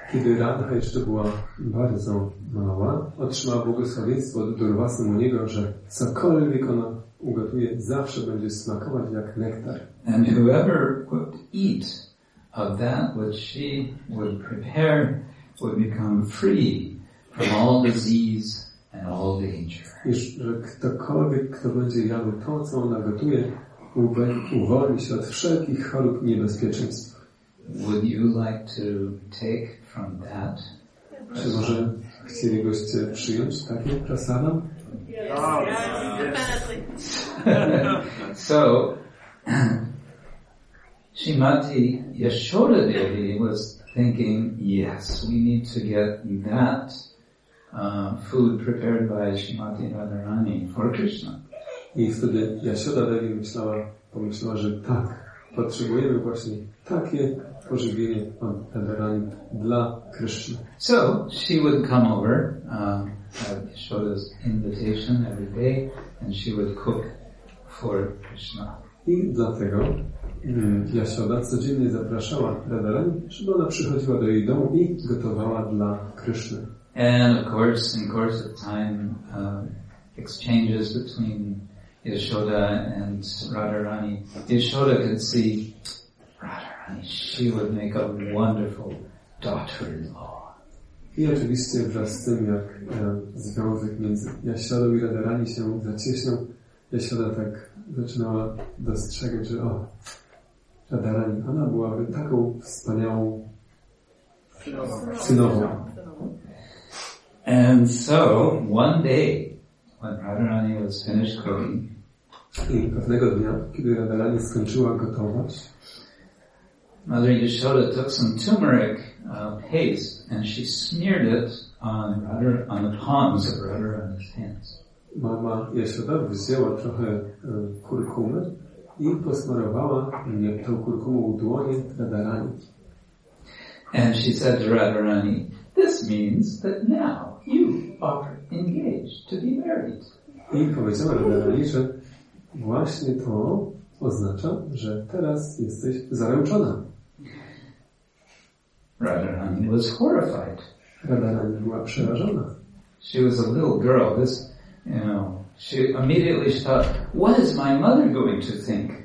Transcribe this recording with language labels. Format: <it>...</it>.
<pl>Kiedy Radha jeszcze była bardzo mała, otrzymała błogosławieństwo od Durvasy Muniego, że cokolwiek ona ugotuje, zawsze będzie smakować jak nektar.</pl> <en>And whoever would eat of that which she would prepare would become free from all disease and all danger.</en> <pl>I że ktokolwiek, kto będzie jadł to, co ona gotuje, uwolni się od wszelkich chorób i niebezpieczeństw.</pl> <en>Would you like to take from that?</en> <pl>Czy może chcielibyście przyjąć takie prasana?</pl> <en>Yes, yes. So, Srimati Yashoda Devi was thinking, yes, we need to get that food prepared by Srimati Radharani for Krishna.</en> <pl>I wtedy Yashoda Devi pomyślała, że tak, potrzebujemy właśnie takie pożywienie od Radharani dla Krishna.</pl> <en>So she would come over at Yashoda's invitation every day and she would cook for Krishna.</en> <pl>I dlatego Yashoda codziennie zapraszała Radharani, żeby ona przychodziła do jej domu i gotowała dla Krishna.</pl> <en>And of course, in course of time, exchanges between Yashoda and Radharani, Yashoda could see she would make a wonderful daughter-in-law.</en> <pl>I oczywiście wraz z tym, jak związek między Yashodą i Radharani się zacieśnił, Yashoda tak zaczynała dostrzegać, że Radharani, ona byłaby taką wspaniałą synową.</pl> <en>And so, one day, when Radharani was finished cooking,</en> <pl>i pewnego dnia, kiedy Radharani skończyła gotować,</pl> <en>Mother Yashoda took some turmeric paste and she smeared it on the palms of Radharani's hands.</en> <pl>Mama Yashoda wzięła trochę kurkumy i posmarowała tą kurkumą w dłonie Radharani.</pl> <en>And she said to Radharani, this means that now you are engaged to be married.</en> <pl>I powiedziała Radharani, że właśnie to oznacza, że teraz jesteś zaręczona.</pl> <en>Radharani was horrified.</en> <pl>Radharani była przerażona.</pl> <en>She was a little girl. This, she immediately thought, "What is my mother going to think?"</en>